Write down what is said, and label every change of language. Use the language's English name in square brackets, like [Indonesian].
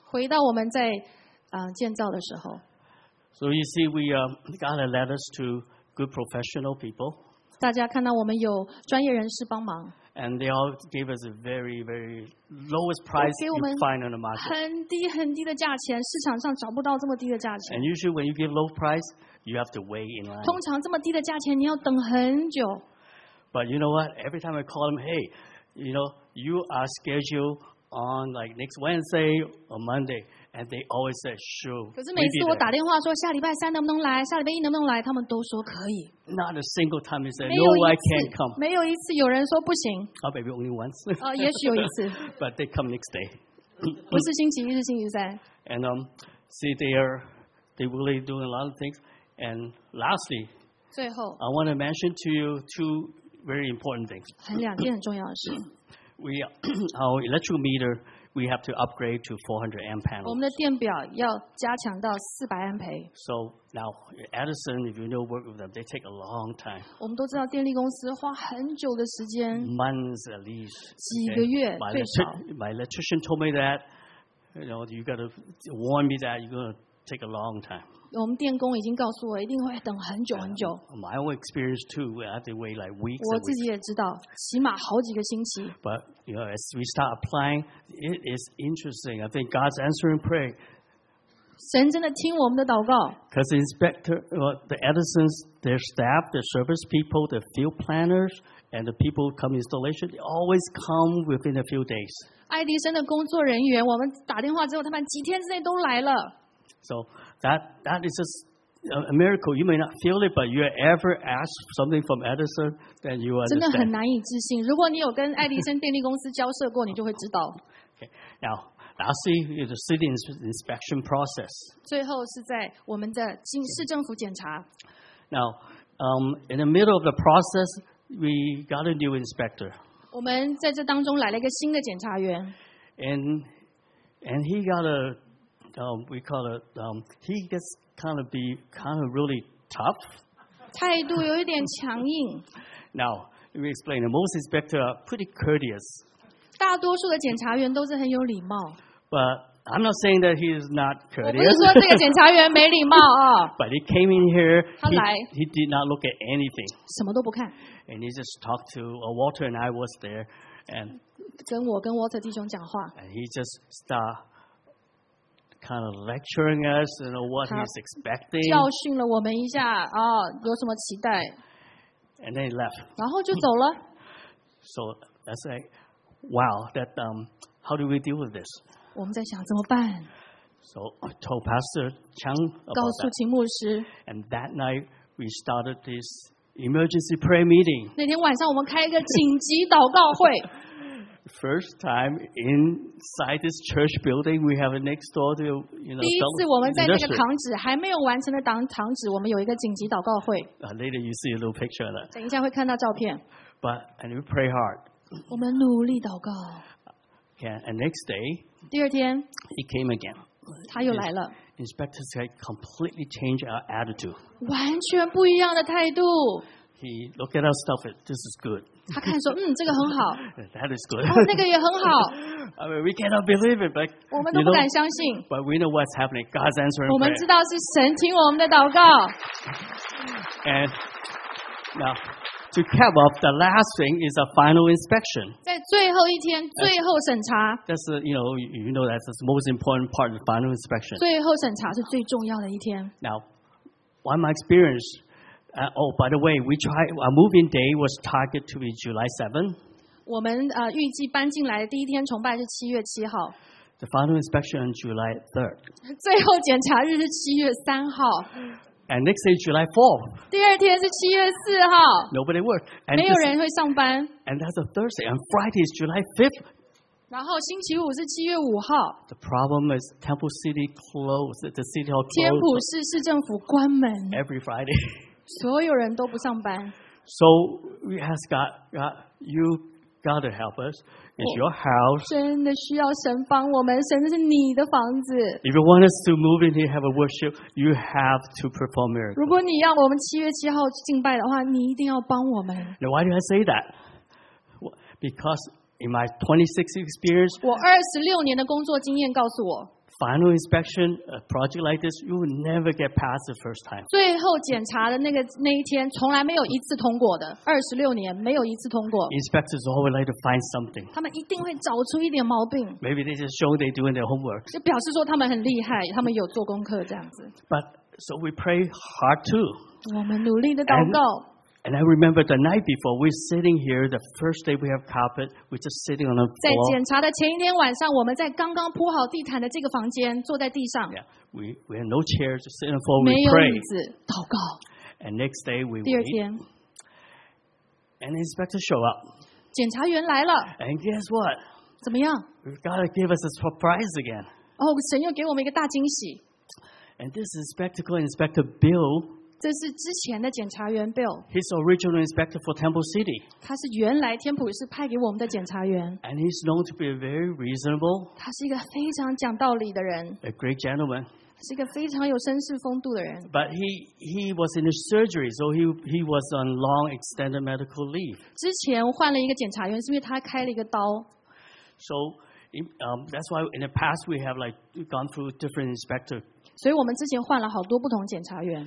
[Chinese] 回到我们在建造的时候。 [English] So you see, we got a letter to good professional people. [Chinese] 大家看到我们有专业人士帮忙。 [English] And they all gave us a very, very lowest price you find on the market. [Chinese] 很低很低的价钱，市场上找不到这么低的价钱。 [English] And usually, when you give low price, you have to wait in line. [Chinese] 通常这么低的价钱，你要等很久。 [English] But you know what? Every time I call them, hey, you know, you are scheduled on like next Wednesday or Monday, and they always say sure. [Chinese] 可是每次我打电话说下礼拜三能不能来，下礼拜一能不能来，他们都说可以。 [English] Not a single time they said, no, I can't come. [Chinese] 没有一次有人说不行。 [English] Oh, maybe only once. [Chinese] 也许有一次。 [English] But they come next day. [Chinese] 不是星期一，是星期三。 [English] And see, they really doing a lot of things. And lastly, [Chinese] 最后 [English] I want to mention to you two very important things. [Chinese] 两件很重要的事。 [English] We, our electrical meter, we have to upgrade to 400 amp panels. [Chinese] 我们的电表要加强到400安培。 [English] So now, Edison, if you know work with them, they take a long time. [Chinese] 我们都知道电力公司花很久的时间。 [English] Months at least. [Chinese] 几个月最少。 [English] My electrician told me that, you know, you got to warn me that you're going to take a long time. [Chinese] 我们电工已经告诉我一定会等很久很久。 [English] My own experience too, we have to wait like weeks. [Chinese] 我自己也知道，起码好几个星期。 [English] But you know, as we start applying, it is interesting. I think God's answering prayer. [Chinese] 神真的听我们的祷告。 [English] Because the inspector, the Edison's, their staff, their service people, their field planners, and the people who come installation, they always come within a few days. [Chinese] 爱迪生的工作人员，我们打电话之后，他们几天之内都来了。 [English] So that is just a miracle. You may not feel it, but you ever ask something from Edison, then you understand. [Chinese] 真的很难以置信。如果你有跟爱迪生电力公司交涉过，你就会知道。 [English] Okay. Now, lastly, is the city inspection process. [Chinese] 最后是在我们的市政府检查。 [English] Now, in the middle of the process, we got a new inspector. [Chinese] 我们在这当中来了一个新的检查员。 [English] And he got a we call it. He gets kind of really tough. [Chinese] 态度有一点强硬。 [English] Now, let me explain. Most inspectors are pretty courteous. [Chinese] 大多数的检察员都是很有礼貌。 [English] But I'm not saying that he is not courteous. [Chinese] 我不是说这个检察员没礼貌啊。 [English] But he came in here. [Chinese] 他来。 [English] He did not look at anything. [Chinese] 什么都不看。 [English] And he just talked to Walter and I was there, and [Chinese] 跟我跟 Walter 弟兄讲话。 [English] And he just started. Kind of lecturing us and what he's expecting. [Chinese] 教训了我们一下啊，有什么期待 [English] ？And then he left. [Chinese] 然后就走了。 [English] So that's like, wow. That how do we deal with this? [Chinese] 我们在想怎么办。 [English] So I told Pastor Chang about that. [Chinese] 告诉秦牧师。 [English] And that night we started this emergency prayer meeting. [Chinese] 那天晚上我们开一个紧急祷告会。 [English] First time inside this church building, we have a next door to, you know. [Chinese] 第一次我们在那个堂址还没有完成的堂址，我们有一个紧急祷告会。 [English] Later you see a little picture of that. [Chinese] 等一下会看到照片。 [English] But and we pray hard. [Chinese] 我们努力祷告。 [English] Yeah, and next day. [Chinese] 第二天。 [English] He came again. [Chinese] 他又来了。 [English] Inspectors had completely changed our attitude. [Chinese] 完全不一样的态度。 [English] He looked at our stuff. This is good. [Chinese] 他看说，嗯，这个很好。 [English] That is good. [Chinese] 哦，那个也很好。 [English] I mean, we cannot believe it, but [Chinese] 我们都不敢相信。 [English] You know, but we know what's happening. God's answering. [Chinese] 我们知道是神听我们的祷告。 [English] And now, to cap off, the last thing is a final inspection. [Chinese] 在最后一天，最后审查。 [English] That's you know that's the most important part of the final inspection. [Chinese] 最后审查是最重要的一天。 [English] Now, by my experience, by the way, we try our move-in day was targeted to be July 7th. [Chinese] 我们预计搬进来的第一天崇拜是七月七号。 [English] The final inspection on July 3rd. [Chinese] 最后检查日是七月三号。 [English] And next day July 4th. [Chinese] 第二天是七月四号。 [English] Nobody works. And [Chinese] 没有人会上班。 [English] And that's a Thursday. And Friday is July 5th. [Chinese] 然后星期五是七月五号。 [English] The problem is Temple City closed. The city hall closed. [Chinese] 天普市市政府关门。 [English] Every Friday. [Chinese] 所有人都不上班。 [English] So we ask God you. God to help us. It's your house. [Chinese] 真的需要神帮我们，神是你的房子。 [English] If you want us to move in here, have a worship, you have to perform miracles. [Chinese] 如果你要我们七月七号敬拜的话，你一定要帮我们。 [English] Now, why do I say that? Because in my 26 experience, [Chinese] 我二十六年的工作经验告诉我 [English] ，final inspection, a project like this, you will never get past the first time. [Chinese] 最后检查的那一天，从来没有一次通过的。二十六年没有一次通过。 [English] Inspectors always like to find something. [Chinese] 他们一定会找出一点毛病。 [English] Maybe they just show they doing their homework. [Chinese] 就表示说他们很厉害，他们有做功课这样子。 [English] But so we pray hard too. [Chinese] 我们努力的祷告。 [English] And I remember the night before, we're sitting here, the first day we have carpet, we're just sitting on the floor. [Chinese] 在检查的前一天晚上，我们在刚刚铺好地毯的这个房间，坐在地上。 [English] Yeah, we have no chairs, just sitting on the floor, we pray. [Chinese] 没有椅子，祷告。 [English] And next day, we wait. [Chinese] 第二天。 [English] And the inspector show up. [Chinese] 检查员来了。 [English] And guess what? [Chinese] 怎么样？ [English] We've got to give us a surprise again. [Chinese] 哦，神又给我们一个大惊喜。 [English] And this is spectacle inspector Bill. [Chinese] 这是之前的检察员 Bill. [English] He's original inspector for Temple City. [Chinese] 他是原来天普市派给我们的检察员。 [English] And he's known to be very reasonable. [Chinese] 他是一个非常讲道理的人。 [English] A great gentleman. [Chinese] 是一个非常有绅士风度的人。 [English] But he was in a surgery, so he was on long extended medical leave. [Chinese] 之前换了一个检察员，是因为他开了一个刀。 [English] So, that's why in the past we have like gone through different inspectors. [Chinese] 所以我们之前换了好多不同检察员。